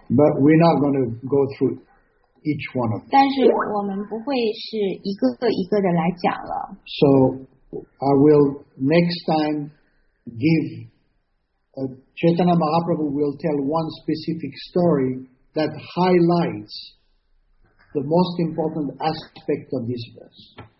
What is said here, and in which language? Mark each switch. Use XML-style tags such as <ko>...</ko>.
<en>but we're not going to go through each one of them.</en> <zh>但是我们不会是一个个一个的来讲了。So</zh> <en>I will next time give Chaitanya Mahaprabhu will tell one specific story that highlights the most important aspect of this verse.</en>